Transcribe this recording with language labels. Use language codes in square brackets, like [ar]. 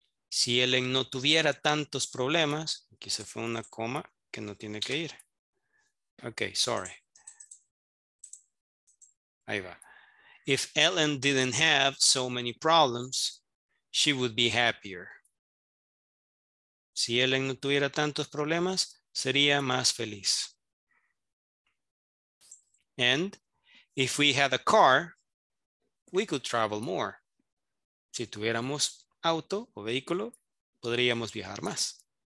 [es] Si Ellen no tuviera tantos problemas, aquí se fue una coma que no tiene que ir. [en] Okay, sorry. [es] Ahí va. [en] If Ellen didn't have so many problems, she would be happier. [es] Si Ellen no tuviera tantos problemas, sería más feliz. [en] And if we had a car, we could travel more. [es] Si tuviéramos auto o vehículo, podríamos viajar más.